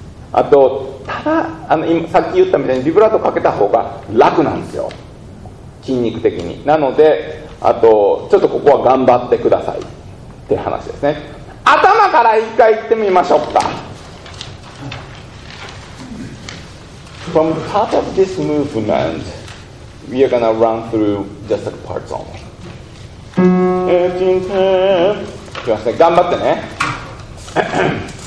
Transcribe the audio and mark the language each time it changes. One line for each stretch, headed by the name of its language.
Japanese: あとただ今さっき言ったみたいに、ビブラートかけた方が楽なんですよ、筋肉的に。なので、あとちょっとここは頑張ってくださいって話ですね。頭から一回いってみましょうか。
English: From the top of this movement we are gonna run through just like parts only.
Japanese: 18, 10頑張ってね。頑張ってね。